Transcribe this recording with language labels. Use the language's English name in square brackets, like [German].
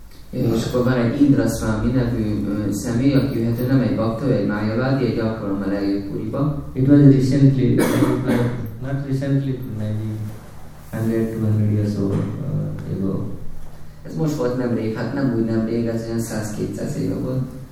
[Hungarian] És akkor van egy Indra Swami nevű személy, aki jöhető nem egy bakta, egy Mayavadi, egy alkalommal eljött Puriba. [English] It was recently, not recently, maybe 100-200 years ago. [Hungarian] Ez most volt nemrég, hát nem úgy nemrég, ez olyan 100-200 éve volt.